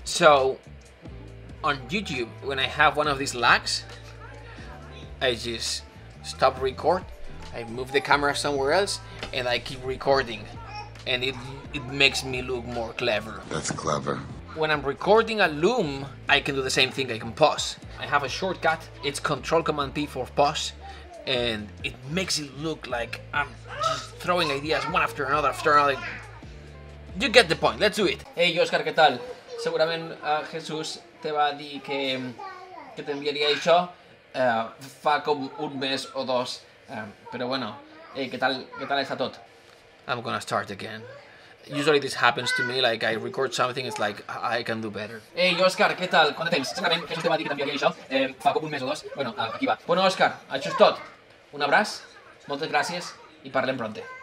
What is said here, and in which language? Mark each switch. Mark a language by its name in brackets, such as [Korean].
[English] So on YouTube, when I have one of these lags, I just stop record, I move the camera somewhere else, and I keep recording, and it makes me look more clever. That's clever. When I'm recording a Loom, I can do the same thing, I can pause. I have a shortcut, it's Control Command P for pause, and it makes it look like I'm just throwing ideas one after another. You get the point, let's do it. Hey, Oscar, [Spanish] ¿qué tal? Seguramente Jesús te va a decir que te enviaría eso fa como un mes o dos. Pero bueno, hey, ¿qué tal está todo? [English] I'm gonna start again. Usually this happens to me, like I record something, it's like I can do better. [Spanish] Hey Oscar, ¿qué tal? ¿Cuánto tens? [Catalan] Exactamente, Jesús te va a dir que t'enviaria això. Fa com un mes o dos. [Spanish] Bueno, aquí va. [Catalan] Bueno Oscar, això és tot. Un abraç, moltes gràcies i parlem pronte.